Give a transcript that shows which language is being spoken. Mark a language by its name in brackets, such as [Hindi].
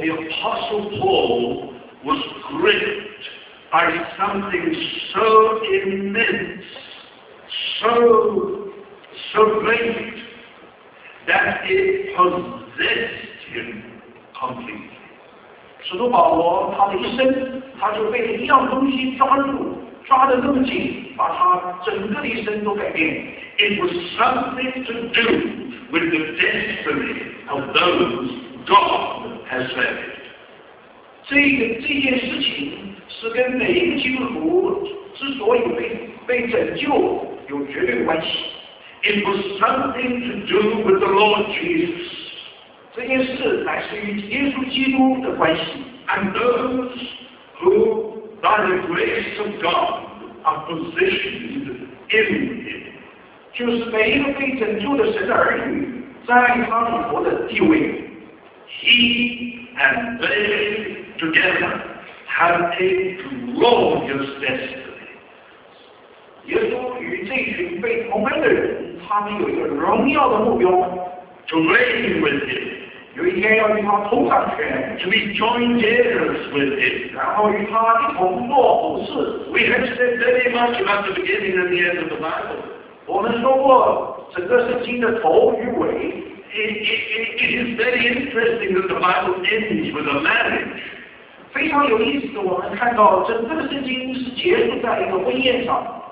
[English] the Apostle Paul, was gripped by something so immense, so great, that it possessed him completely. [Chinese] 使徒保罗他的一生，他就被一样东西抓住，抓得那么紧，把他整个的一生都改变。 [English] It was something to do with the destiny of those God has saved. [Chinese] 这件事情是跟每一个基督徒之所以被拯救有绝对关系。 [English] It was something to do with the Lord Jesus. [Chinese] 这件事乃是与耶稣基督的关系。 [English] And those who, by the grace of God, are positioned in Him. [Chinese] 就是每一个被拯救的神的儿女，在他里头的地位。 [English] He and they together have a glorious destiny. [Chinese] 耶稣与这群被蒙恩的人，他们有一个荣耀的目标。 [English] To reign with him， [Chinese] 有一天要与他同掌权。 [English] To be joint heirs with him， [Chinese] 然后与他一同做主事。 [English] We have said very much about the beginning and the end of the Bible。 [Chinese] 我们说过整个圣经的头与尾。 [English] It is very interesting that the Bible ends with a marriage。 [Chinese] 非常有意思的，我们看到整个圣经是结束在一个婚宴上。